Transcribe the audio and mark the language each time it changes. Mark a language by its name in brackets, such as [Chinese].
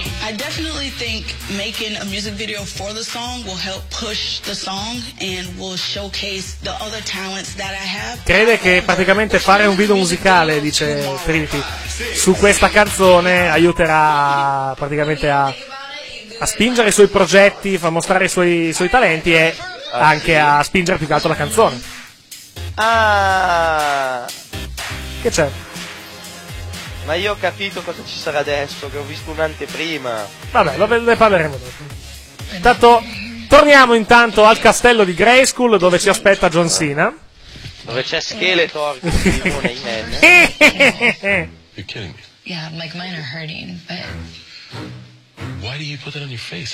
[English] I definitely think making a music video for the song will help push the song and will showcase the other talents that I have. [Italian] Crede che praticamente fare un video musicale, dice Trinity, su questa canzone aiuterà praticamente a spingere i suoi progetti, a mostrare i suoi talenti e anche a spingere più che altro la canzone. Ah, che c'è? Ma io ho capito cosa ci sarà adesso, che ho visto un'anteprima. Vabbè, ne parleremo dopo. Intanto, torniamo intanto al castello di Grayskull, dove ci aspetta John Cena. Dove c'è Skeletor, che vive in N. [English] You're kidding me. Yeah, like mine are hurting, but... Why do you put that on your face?